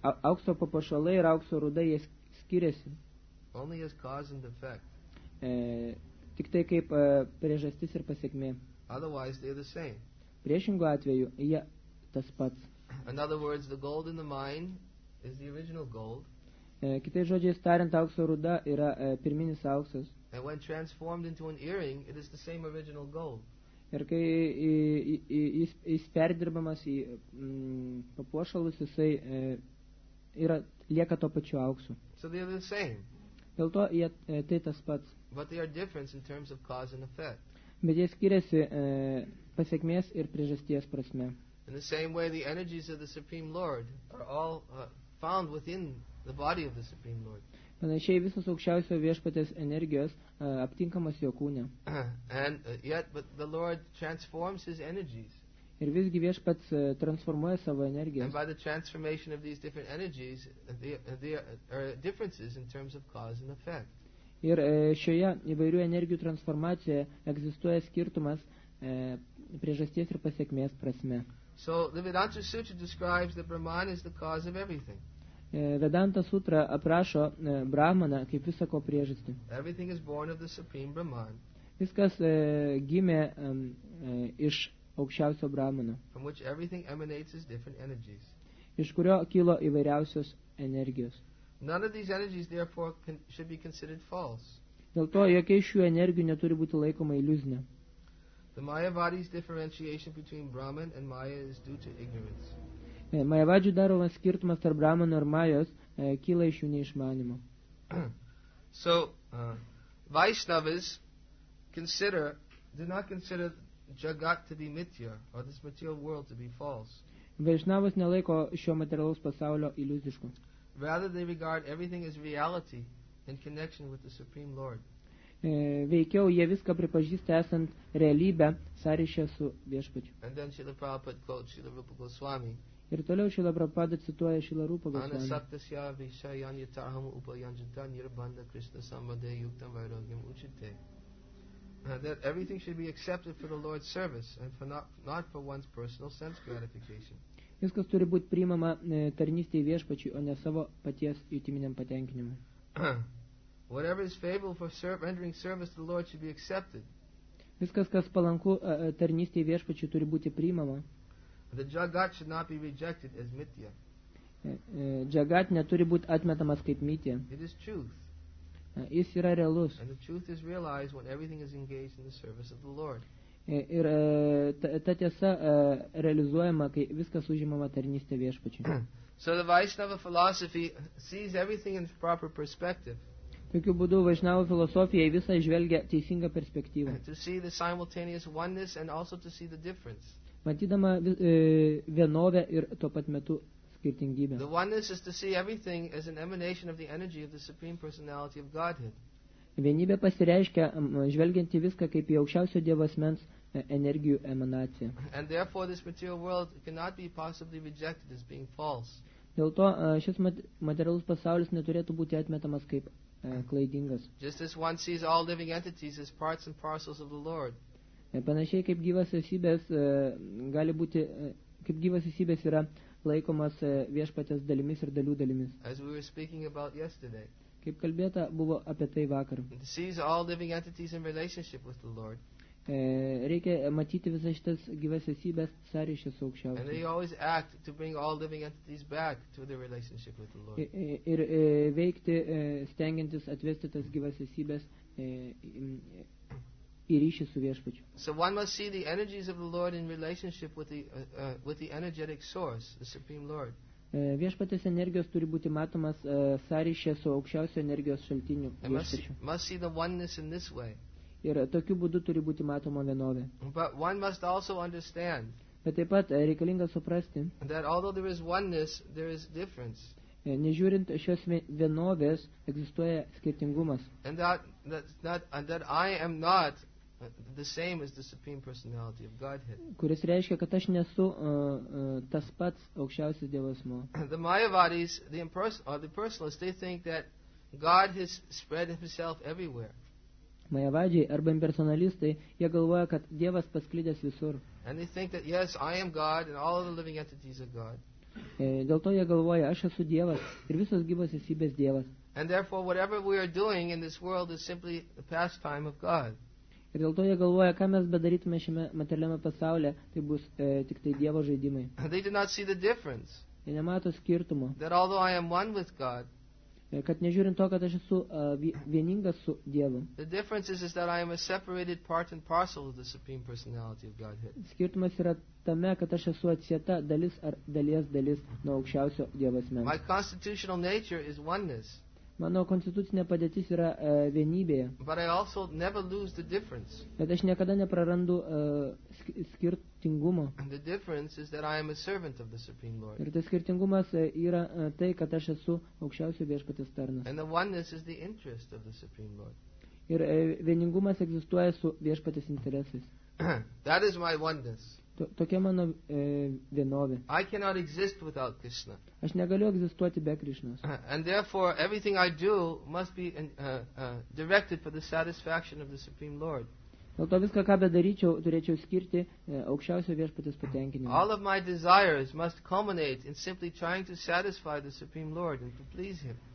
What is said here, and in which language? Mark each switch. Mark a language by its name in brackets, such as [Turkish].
[Lithuanian] Aukso papuošalai ir aukso rūdai jie skiriasi. [English] Only as cause and effect. [Lithuanian] Tik tai kaip priežastis ir pasekmė. [English] Otherwise they are the same. [Lithuanian] Priešingu atveju jie tas pats. [English] In other words, the gold in the mine is the original gold. [Lithuanian] Kitais žodžiais tariant, aukso rūda yra pirminis auksas. [English] And when transformed into an earring, it is the same original gold. [Lithuanian] Ir kai jis perdirbamas į papuošalus, jisai yra, lieka to pačiu auksu. [English] So they are the same. [Lithuanian] Dėl to jie tai tas pats. [English] But they are different in terms of cause and effect. [Lithuanian] Bet jie skiriasi pasekmės ir priežasties prasme. [English] In the same way the energies of the Supreme Lord are all found within the body of the Supreme Lord. [Lithuanian] Panašiai visos aukščiausio Viešpaties energijos aptinkamos jo kūne. [English] And yet, but the Lord transforms his energies. [Lithuanian] Ir visgi Viešpats transformuoja savo energijas. [English] And by the transformation of these different energies, there are differences in terms of cause and effect. [Lithuanian] Ir šioje įvairių energijų transformacijoje egzistuoja skirtumas priežasties ir pasekmės prasme. [English] So, the Vedanta Sutra describes that Brahman is the cause of everything. [Lithuanian] Vedanta Sutra aprašo Brahmaną kaip visako priežastį. [English] Everything is born of the supreme Brahman. [Lithuanian] Viskas gimė iš aukščiausio Brahmano. [English] From which everything emanates as different energies. [Lithuanian] Iš kurio kilo įvairiausios energijos. [English] None of these energies therefore should be considered false. [Lithuanian] Dėl to jokia iš šių energijų neturi būti laikoma iliuzinė. [English] The Mayavadi's differentiation between Brahman and Maya is due to ignorance. [Lithuanian] Majavadžių daromas skirtumas tarp Brahmano ir Majos kyla iš jų neišmanimo. [English] So, Vaishnavas do not consider Jagat to be mitya, or this material world to be false. [Lithuanian] Vaishnavas nelaiko šio materialaus pasaulio iliuzišku. [English] Rather, they regard everything as reality in connection with the Supreme Lord. [Lithuanian] Veikiau, jie viską pripažįsta esant realybę sąryšę su Viešpačiu. [English] And then Srila Prabhupada quotes Srila Rupa Goswami. [Lithuanian] Ir toliau Šrila Prabhupada cituoja Šrila Rupa Goswami. [Sanskrit] Anasaktasya vishayan yataham upayanjata nirbanda krishna sambandhe yuktam vairagyam uchite. [English] That everything should be accepted for the Lord's service and for not for one's personal sense gratification. [Lithuanian] Viskas turi būti priimama tarnystėje Viešpačiui, o ne savo paties jutiminiam patenkinimui. [English] Whatever is favorable for rendering service to the Lord should be accepted. [Lithuanian] Viskas, kas palanku tarnystėje Viešpačiui, turi būti priimama. [English] The jagat should not be rejected as mitya. [Lithuanian] Jagat neturi būti atmetamas kaip mitya. [English] It is truth. [Lithuanian] Jis yra realus. [English] And the truth is realized when everything is engaged in the service of the Lord. [Lithuanian] Ir ta tiesa realizuojama, kai viskas užimama tarnystė Viešpačiui. [English] So the Vaishnava philosophy sees everything in proper perspective. [Lithuanian] Tokiu būdu Vaishnava filosofija visą žvelgia teisingą perspektyvą. [English] To see the simultaneous oneness and also to see the difference. [Lithuanian] Matydama vienovę ir tuo pat metu skirtingybę. [English] The oneness is to see everything as an emanation of the energy of the supreme personality of Godhead. [Lithuanian] Vienybė pasireiškia žvelgiant į viską kaip į aukščiausio Dievo asmens energijų emanaciją. [English] And therefore this material world cannot be possibly rejected as being false. [Lithuanian] Dėl to šis materialus pasaulis neturėtų būti atmetamas kaip klaidingas. [English] Just as one sees all living entities as parts and parcels of the Lord. [Lithuanian] Panašiai kaip gyvas esybės gali būti, kaip gyvas esybės yra laikomas viešpatės dalimis ir dalių dalimis. [English] As we were speaking about yesterday. [Lithuanian] Kaip kalbėta buvo apie tai vakar. [English] Sees all living entities in relationship with the Lord. [Lithuanian] Reikia matyti visas šitas gyvas esybės sąryšį su aukščiausiu. Ir veikti, stengiantis atvesti tas gyvas esybės į ryšį su viešpačiu. [English] So one must see the energies of the Lord in relationship with the energetic source, the Supreme Lord. [Lithuanian] Viešpatės energijos turi būti matomas sąryšė su aukščiausio energijos šaltiniu. [English] Must see the oneness in this way. [Lithuanian] Ir tokiu būdu turi būti matoma vienovė. [English] But one must also understand. [Lithuanian] Bet taip pat reikalinga suprasti. [English] That although there is oneness, there is difference. [Lithuanian] Nežiūrint šios vienovės, egzistuoja skirtingumas. [English] And that I am not the same as the Supreme Personality of Godhead. [Lithuanian] Kuris reiškia, kad aš nesu tas pats aukščiausias Dievo asmuo. [English] The Mayavadis, the personalists, they think that God has spread himself everywhere. [Lithuanian] Majavadžiai arba impersonalistai, jie galvoja, kad Dievas pasklydęs visur. [English] And they think that yes, I am God and all of the living entities are God. [Lithuanian] Dėl to jie galvoja, aš esu Dievas ir visos gyvos esybės Dievas. [English] And therefore whatever we are doing in this world is simply the pastime of God. [Lithuanian] Ir dėl to jie galvoja, ką mes bedarytume šiame materialiame pasaulyje, tai bus tik tai Dievo žaidimai. [English] They do not see the difference. [Lithuanian] Jie nemato skirtumo. [English] That although I am one with God, [Lithuanian] kad nežiūrint to, kad aš esu vieningas su Dievu. [English] The difference is that I am a separated part and parcel of the Supreme Personality of Godhead. [Lithuanian] Skirtumas yra tame, kad aš esu atsieta dalis ar dalies dalis nuo aukščiausio Dievo asmens. [English] My constitutional nature is oneness. [Lithuanian] Mano konstitucinė padėtis yra vienybėje. [English] But I also never lose the difference. [Lithuanian] Bet aš niekada neprarandu skirtingumo. [English] The difference is that I am a servant of the Supreme Lord. [Lithuanian] Ir tas skirtingumas yra tai, kad aš esu aukščiausio viešpatės tarnas. [English] And the oneness is the interest of the Supreme Lord. [Lithuanian] Ir vieningumas egzistuoja su viešpatės interesais. [English] That is my oneness. [Lithuanian] Tokia mano vienovė. [English] I cannot exist without Krishna. [Lithuanian] Aš negaliu egzistuoti be Krishnos. [English] And therefore everything I do must be directed for the satisfaction of the Supreme Lord. [Lithuanian] Dėl to viską, ką bedaryčiau, turėčiau skirti aukščiausio viešpatės patenkinimą. [English] All of my desires must culminate in simply trying to satisfy the Supreme Lord and to please him.